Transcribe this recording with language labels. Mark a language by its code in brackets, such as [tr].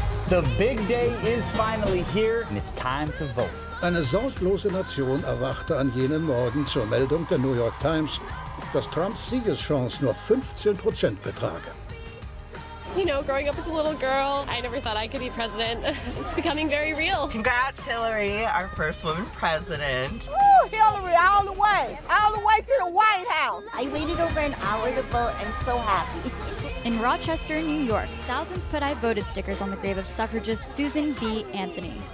[en] The big day is finally here, and it's time to vote. [de] Eine sorglose Nation erwachte an jenem Morgen zur Meldung der New York Times, dass Trumps Siegeschance nur 15% betrage. [en] You know, growing up as a little girl, I never thought I could be president. It's becoming very real. Congrats, Hillary, our first woman president. Woo, Hillary, all the way. All the way to the White House. I waited over an hour to vote. I'm so happy. In Rochester, New York, thousands put I voted stickers on the grave of suffragist Susan B. Anthony.